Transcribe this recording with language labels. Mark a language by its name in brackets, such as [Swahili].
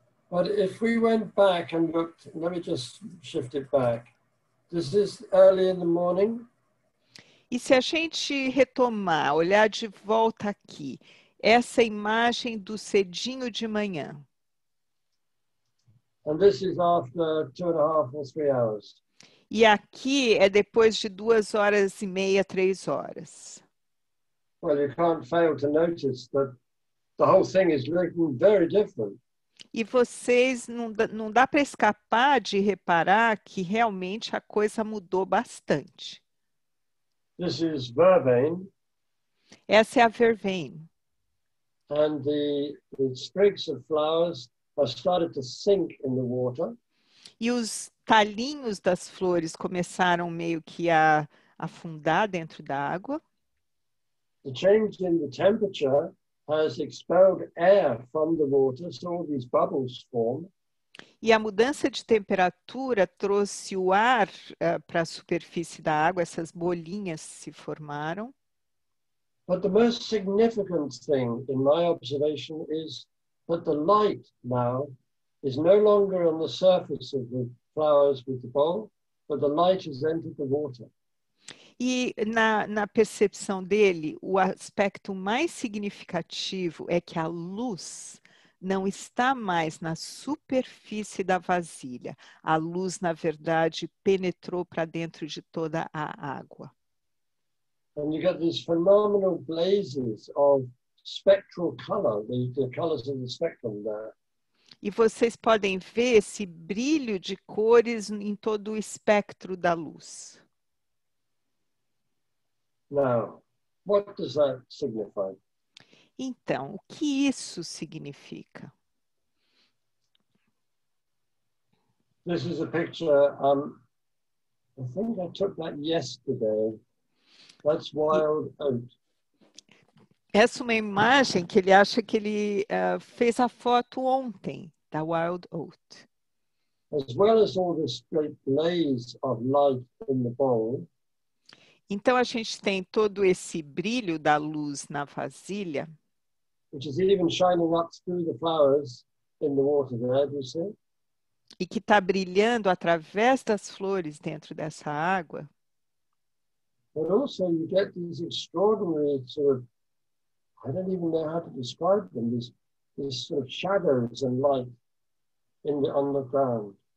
[English] But if we went back and looked, let me just shift it back. This is early in the morning. [Portuguese] E se a gente retomar, olhar de volta aqui, essa imagem do cedinho de manhã. [English] And this is after 2.5 or 3 hours. [Portuguese] E aqui é depois de 2 horas e meia, 3 horas. [English] Well, you can't fail to notice that the whole thing is looking very different. [Portuguese] E vocês, não dá para escapar de reparar que realmente a coisa mudou bastante. [English] This is vervain. [Portuguese] Essa é a vervain. [English] And the sprigs of flowers have started to sink in the water. [Portuguese] E os talinhos das flores começaram meio que a afundar dentro da água. [English] The change in the temperature has expelled air from the water, so all these bubbles form. [Portuguese] E a mudança de temperatura trouxe o ar para a superfície da água, essas bolinhas se formaram. [English] But the most significant thing in my observation is that the light now is no longer on the surface of the flowers with the bowl, but the light has entered the water. [Portuguese] E na percepção dele, o aspecto mais significativo é que a luz não está mais na superfície da vasilha. A luz, na verdade, penetrou para dentro de toda a água. [English] And you get these phenomenal blazes of spectral color, the colors of the spectrum there. [Portuguese] E vocês podem ver esse brilho de cores em todo o espectro da luz. [English] Now, what does that signify? [Portuguese] Então, o que isso significa? [English] This is a picture, I think I took that yesterday. That's wild oat. [Portuguese] Essa é uma imagem que ele acha que ele fez a foto ontem, da wild oat. [English] As well as all this great blaze of light in the bowl, [Portuguese] então, a gente tem todo esse brilho da luz na vasilha. [English] Which is even shining up through the flowers in the water there, you see? [Portuguese] E que está brilhando através das flores dentro dessa água. [English] But also you get these extraordinary sort of, I don't even know how to describe them, these sort of shadows and light on the ground.